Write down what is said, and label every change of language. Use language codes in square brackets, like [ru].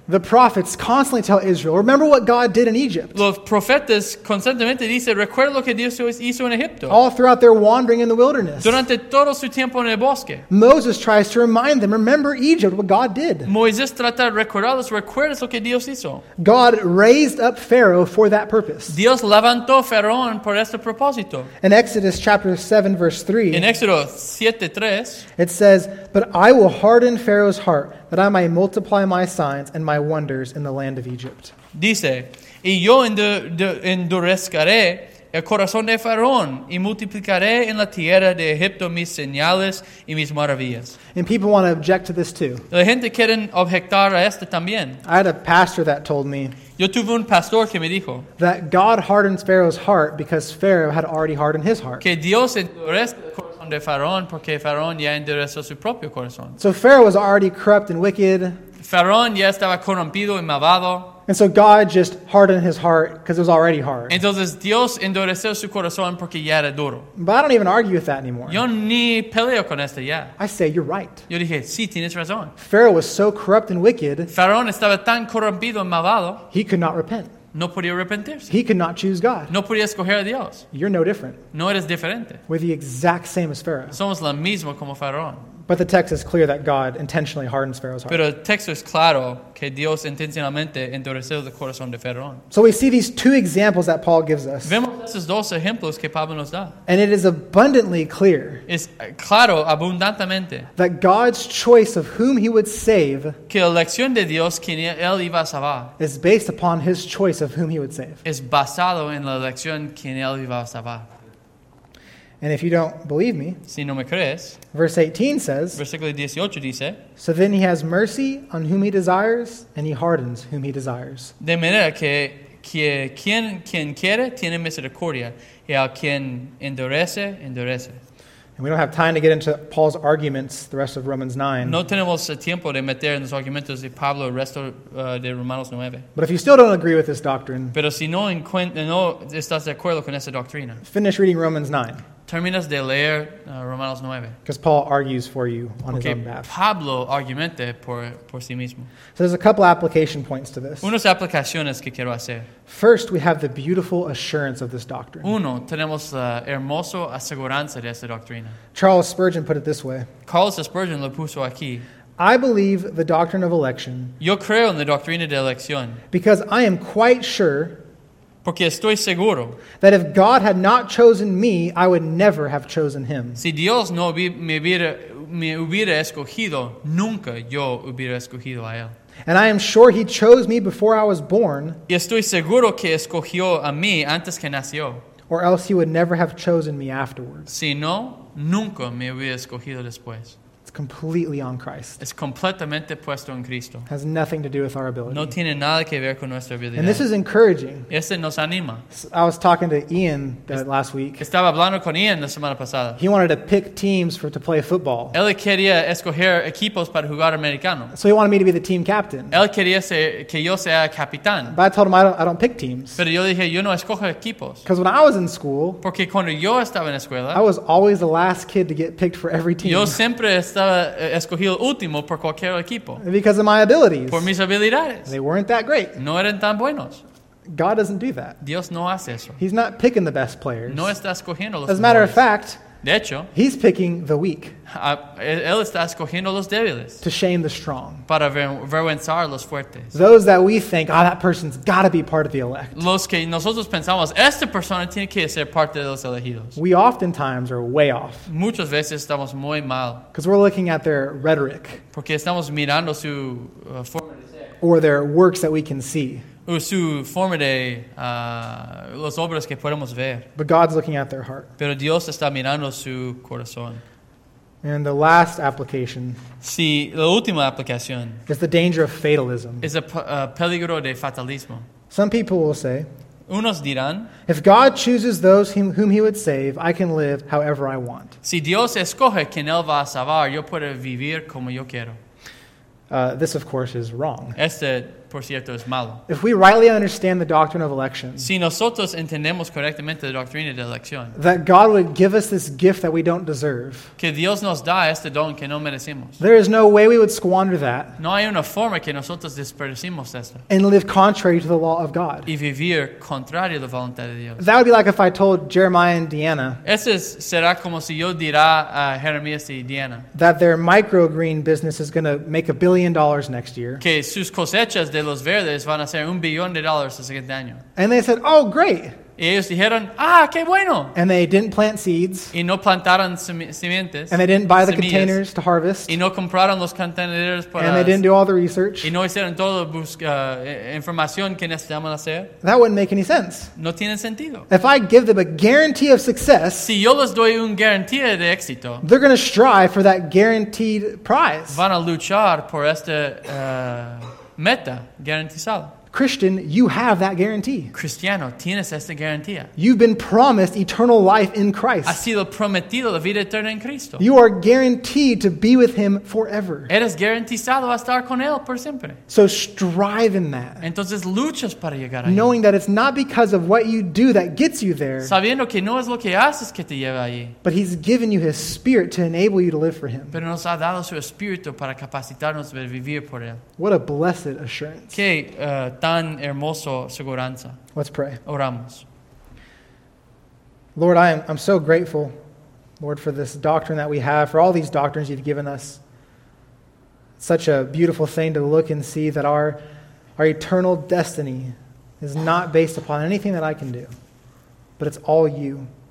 [en] The prophets constantly tell Israel, "Remember what God did in Egypt." [es] Los profetas constantemente dice, "Recuerda lo que Dios hizo en Egipto." [en] All throughout their wandering in the wilderness. [es] Durante todo su tiempo en el bosque. [en] Moses tries to remind them, "Remember Egypt, what God did." [es] Moisés trata de recordarles, "Recuerdas lo que Dios hizo." [en] God raised up Pharaoh for that purpose. [es] Dios levantó a Faraón por este propósito. [en] In Exodus chapter 7 verse 3. [es] En Éxodo 7:3. [en] It says, "But I will harden Pharaoh's heart, that I may multiply my signs and my wonders in the land of Egypt." [es] Dice, "Y yo endurezcaré el corazón de Faraón y multiplicaré en la tierra de Egipto mis señales y mis maravillas." [en] And people want to object to this too. [es] La gente quiere objetar a esto también. [en] I had a pastor that told me. [es] Yo tuve un pastor que me dijo. [en] That God hardens Pharaoh's heart because Pharaoh had already hardened his heart. [es] Que Dios endurece el corazón de Faraón porque Faraón ya endureció su propio corazón. [en] So Pharaoh was already corrupt and wicked. [es] Faraón ya estaba corrompido y malvado. [en] And so God just hardened his heart because it was already hard. [es] Entonces Dios endureció su corazón porque ya era duro. [en] But I don't even argue with that anymore. [es] Yo ni peleo con esto ya. [en] I say, "You're right." [es] Yo dije, "Sí, tienes razón." [en] Pharaoh was so corrupt and wicked. [es] Faraón estaba tan corrompido y malvado. [en] He could not repent. [es] No podía arrepentirse. [en] He could not choose God. [es] No podía escoger a Dios. [en] You're no different. [es] No eres diferente. [en] We're the exact same as Pharaoh. [es] Somos la misma como Faraón. [en] But the text is clear that God intentionally hardens Pharaoh's heart. [es] Pero el texto es claro que Dios intencionalmente endureció el corazón de Faraón. [en] So we see these two examples that Paul gives us. [es] Vemos esos dos ejemplos que Pablo nos da. [en] And it is abundantly clear. [es] Es claro abundantemente. [en] That God's choice of whom he would save. [es] Que la elección de Dios quien él iba a salvar. [en] Is based upon his choice of whom he would save. [es] Es basado en la elección quien él iba a salvar. [en] And if you don't believe me, [es] si no me crees, [en] verse 18 says, [es] versículo 18 dice, [en] "So then he has mercy on whom he desires, and he hardens whom he desires." [es] De manera que quien quiere tiene misericordia, y a quien endurece, endurece. [en] And we don't have time to get into Paul's arguments the rest of Romans 9. [es] No tenemos tiempo de meter en los argumentos de Pablo el resto de Romanos 9. [en] But if you still don't agree with this doctrine, [es] pero si no estás de acuerdo con esa doctrina, [en] finish reading Romans 9. [es] Terminas de leer Romanos 9. [en] Because Paul argues for you on okay, his own behalf. [es] Pablo argumenta por sí mismo. [en] So there's a couple application points to this. [es] Unas aplicaciones que quiero hacer. [en] First, we have the beautiful assurance of this doctrine. [es] Uno, tenemos la hermosa aseguranza de esta doctrina. [en] Charles Spurgeon put it this way. [es] Carlos Spurgeon lo puso aquí. [en] "I believe the doctrine of election." [es] Yo creo en la doctrina de elección. [en] "Because I am quite sure." [es] Porque estoy seguro. [en] "That if God had not chosen me, I would never have chosen him." [es] Si Dios no me hubiera escogido, nunca yo hubiera escogido a él. [en] "And I am sure he chose me before I was born." [es] Y estoy seguro que escogió a mí antes que nació. [en] or else he would never have chosen me afterwards. [es] Si no, nunca me hubiera escogido después. [en] It's completely on Christ. [es] Es completamente puesto en Cristo. [en] Has nothing to do with our ability. [es] No tiene nada que ver con nuestra habilidad. [en] And this is encouraging. [es] Este nos anima. [en] I was talking to Ian last week. [es] Estaba hablando con Ian la semana pasada. [en] He wanted to pick teams to play football. [es] Él quería escoger equipos para jugar americano. [en] So he wanted me to be the team captain. [es] Él quería que yo sea capitán. [en] But I told him I don't pick teams. [es] Pero yo dije, yo no escojo equipos. [en] Because when I was in school, [es] porque cuando yo estaba en escuela, [en] I was always the last kid to get picked for every team. [es] Yo siempre estaba escogido último por cualquier equipo. [en] Because of my abilities. [es] Por mis habilidades. [en] They weren't that great. [es] No eran tan buenos. [en] God doesn't do that. [es] Dios no hace eso. [en] He's not picking the best players. [es] No está escogiendo los [en] As a matter [es] mejores. [en] Of fact, [es] de hecho, [en] he's picking the weak. [es] Él está escogiendo los débiles. [en] To shame the strong. [es] Para avergonzar los fuertes. [en] Those that we think, that person's got to be part of the elect. [es] Los que nosotros pensamos, esta persona tiene que ser parte de los elegidos. [en] We oftentimes are way off. [es] Muchas veces estamos muy mal. [en] Because we're looking at their rhetoric. [es] Porque estamos mirando su forma de ser. [en] Or their works that we can see. [es] O su forma de las obras que podemos ver. [en] But God's looking at their heart. [es] Pero Dios está mirando su corazón. [en] And the last application. [es] Sí, la última aplicación. [en] Is the danger of fatalism. [es] Es el peligro de fatalismo. [en] Some people will say. [es] Unos dirán. [en] If God chooses those whom he would save, I can live however I want. [es] Si Dios escoge quien él va a salvar, yo puedo vivir como yo quiero. [en] This, of course, is wrong. [es] Este, por cierto, es malo. [en] If we rightly understand the doctrine of election, [es] si nosotros entendemos correctamente la doctrina de elección, [en] that God would give us this gift that we don't deserve, [es] que Dios nos da este don que no merecemos, [en] there is no way we would squander that, [es] no hay una forma que nosotros desperdicemos esto, [en] and live contrary to the law of God, [es] y vivir contrario a la voluntad de Dios. [en] That would be like if I told Jeremiah and Deanna, [es] ese será como si yo dirá a Jeremías y Deanna, [en] that their microgreen business is going to make $1 billion next year, [es] que sus cosechas de los verdes van a ser $1 billion el siguiente año. [en] And they said, oh, great. [es] Y ellos dijeron, qué bueno. [en] And they didn't plant seeds. [es] Y no plantaron simientes. [en] And they didn't buy the containers to harvest. [es] Y no compraron los contenedores para. [en] And they didn't do all the research. [es] Y no hicieron toda la información que necesitaban hacer. [en] That wouldn't make any sense. [es] No tiene sentido. [en] If I give them a guarantee of success, [es] si yo les doy una garantía de éxito, [en] they're going to strive for that guaranteed prize. [es] Van a luchar por esta meta garantizada. [en] Christian, you have that guarantee. [es] Cristiano, tienes esta garantía. [en] You've been promised eternal life in Christ. [es] Has sido prometido la vida eterna en Cristo. [en] You are guaranteed to be with him forever. [es] Eres garantizado a estar con él por siempre. [en] So strive in that. [es] Entonces luchas para llegar ahí. [en] Knowing that it's not because of what you do that gets you there. [es] Sabiendo que no es lo que haces que te lleva allí. [en] But he's given you his spirit to enable you to live for him. [es] Pero nos ha dado su espíritu para capacitarnos para vivir por él. [en] What a blessed assurance. [es] Que tan hermoso seguranza. [en] Let's pray. [es] Oramos. [en] Lord, I'm so grateful, Lord, for this doctrine that we have, for all these doctrines you've given us. Such a beautiful thing to look and see that our eternal destiny is not based upon anything that I can do, but it's all you.